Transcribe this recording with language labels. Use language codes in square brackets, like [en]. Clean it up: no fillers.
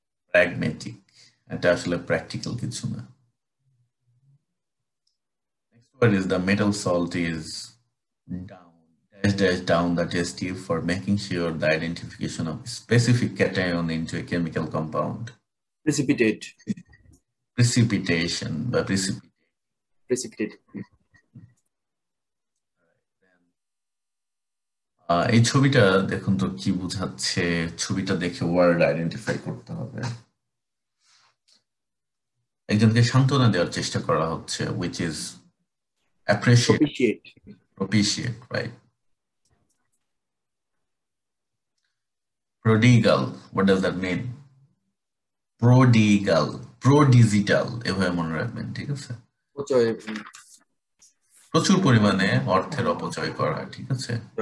[bn] Pragmatic, এটা আসলে practical কিছু না। [en] What is the metal salt is down, dash dash down the test tube for making sure the identification of specific cation into a chemical compound. Precipitate. Precipitation, by precipitation. Precipitate. [bn] এই ছবিটা দেখুন তো কি বুঝাচ্ছে, ছবিটা দেখে ওয়ার্ড আইডেন্টিফাই করতে হবে। একজনকে সান্ত্বনা দেওয়ার চেষ্টা করা হচ্ছে, [en] Which is appreciate, Propitiate. propitiate, right? Prodigal, what does that mean? [bn] Prodigal, prodigital, এভাবে মনে রাখবেন, ঠিক আছে? প্রচুর পরিমাণে অর্থের অপচয় করা, ঠিক আছে?